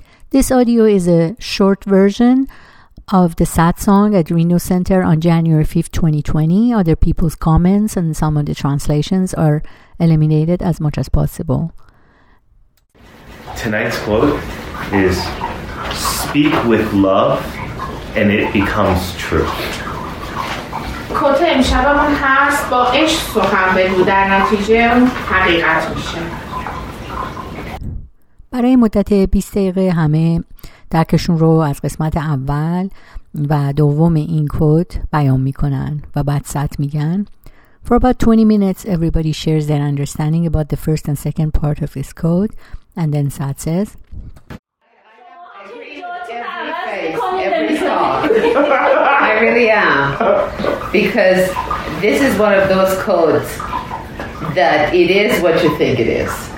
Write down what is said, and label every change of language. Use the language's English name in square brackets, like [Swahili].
[English] This audio is a short version of the satsang at Reno Center on January 5th, 2020. Other people's comments and some of the translations are eliminated as much as possible. Tonight's quote is, "Speak with love and it becomes true." [Persian] کوته امشبمون هست با عشق سخن بگو در نتیجه حقیقت میشه. برای مدت 20 دقیقه همه درکشون رو از قسمت اول و دوم این کوت بیان میکنن و بعد سط میگن. [English] For about 20 minutes everybody shares their understanding about the first and second part of this quote and then sat says I really am, because this is one of those codes that it is what you think it is.